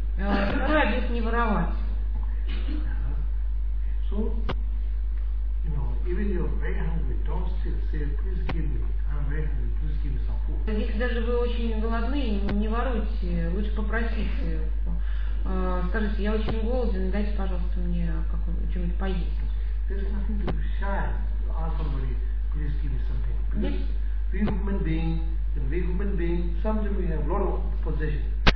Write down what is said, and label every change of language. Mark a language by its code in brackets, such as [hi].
[ru] Второй обет — не воровать. [en] So, you know, even if you're very hungry, don't steal. Say, please give me. I'm very hungry. Please give me some food. [ru] Если даже вы очень голодны, не воруйте. Лучше попросите. Скажите, я очень голоден, дайте, пожалуйста, мне что-нибудь поесть. [en] There's nothing to be shy. Ask somebody, please give me something. Because we human beings, sometimes we have a lot of possessions.